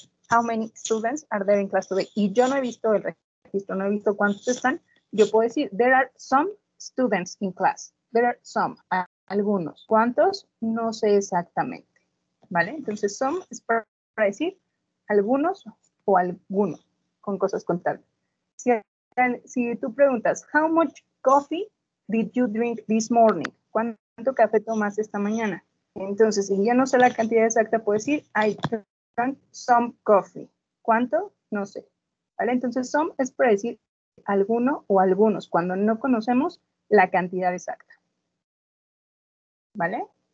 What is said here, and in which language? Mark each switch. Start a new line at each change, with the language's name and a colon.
English: How many students are there in class today?
Spanish: Y yo no he visto el registro, no he visto cuántos están. Yo puedo decir,
English: there are some students in class. There are some,
Spanish: algunos. ¿Cuántos? No sé exactamente. ¿vale? Entonces, some es para decir algunos o alguno con cosas contables. Si tú preguntas,
English: how much coffee did you drink this morning?
Spanish: ¿Cuánto café tomaste esta mañana? Entonces, si ya no sé la cantidad exacta, puedo decir,
English: I drank some coffee.
Spanish: ¿Cuánto? No sé. ¿Vale? Entonces, some es para decir alguno o algunos, cuando no conocemos la cantidad exacta. ¿Vale?